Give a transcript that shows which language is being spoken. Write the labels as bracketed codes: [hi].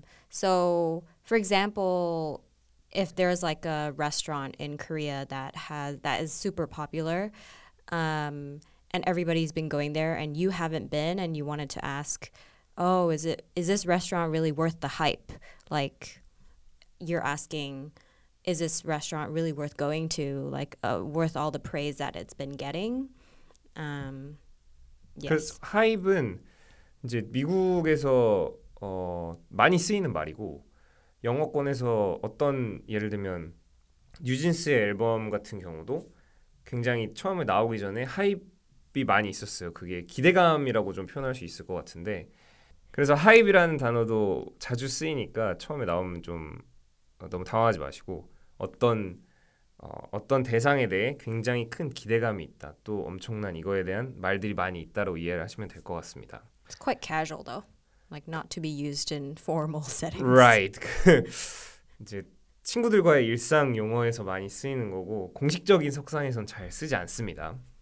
[en] So for example, if there's like a restaurant in Korea that is super popular and everybody's been going there and you haven't been and you wanted to ask, oh, is this restaurant really worth the hype? Like you're asking, is this restaurant really worth going to? Like worth all the praise that it's been getting? Yes. [ko] 그래서 hype은 이제 미국에서 많이 쓰이는 말이고 영어권에서 어떤 예를 들면 뉴진스의 앨범 같은 경우도 굉장히 처음에 나오기 전에 하이프가 많이 있었어요. 그게 기대감이라고 좀 표현할 수 있을 것 같은데 그래서 하이프라는 단어도 자주 쓰이니까 처음에 나오면 좀 너무 당황하지 마시고 어떤 대상에 대해 굉장히 큰 기대감이 있다 또 엄청난 이거에 대한 말들이 많이 있다로 이해를 하시면 될 것 같습니다. [en] It's quite casual though. Like not to be used in formal settings. Right. [ko] 이제 친구들과의 일상 용어에서 많이 쓰이는 거고 공식적인 석상에선 잘 쓰지 않습니다.